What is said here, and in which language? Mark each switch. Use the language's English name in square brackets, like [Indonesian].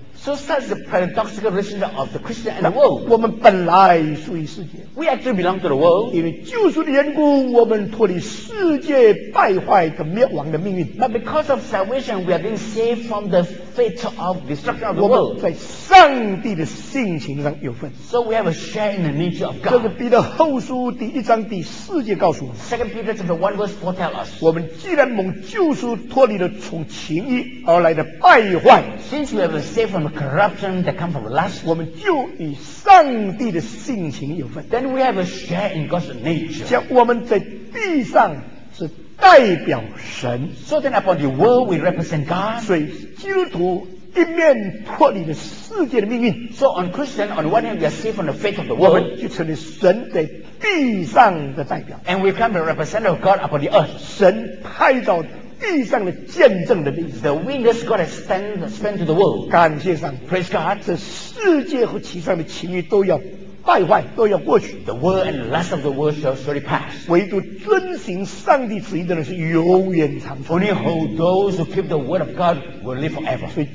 [English] So such the paradoxical relationship of the Christian and the world. [Chinese] 我们本来属于世界。 [English] We actually belong to the world. [Chinese] 因为救赎的缘故，我们脱离世界败坏的灭亡的命运。 [English] But because of salvation, we are being saved from the fate of destruction of the world. [Chinese] 我们在上帝的性情上有份。 [English] So we have a share in the nature of God. [Chinese] 这是彼得后书第1章第4节告诉我们。 [English] 2 Peter chapter 1 verse 4 tells us. [Chinese] 我们既然蒙救赎脱离了从情义而来的败坏。 [English] Since we have been saved from the corruption that comes from lust, [Chinese] 我们就与上帝的性情有份。 [English] Then we have a share in God's nature. [Chinese] 像我们在地上是代表神。 [English] So then upon the world we represent God. [Chinese] 所以基督徒一面脱离了世界的命运。 [English] So on Christian, on one hand we are saved from the fate of the world. [Chinese] 我们就成为神在地上的代表。 [English] And we become the representative of God upon the earth. [Chinese] 神派到 [English] The witness God has sent to the world. [Chinese] 感谢上, [English] praise God. [Chinese] 这世界和其上的情欲都要败坏，都要过去。 [English] The world and the lust of the world shall surely pass. [Chinese] 唯独遵行上帝旨意的人是永远长存。 [English] Only hold those who keep the word of God will live forever.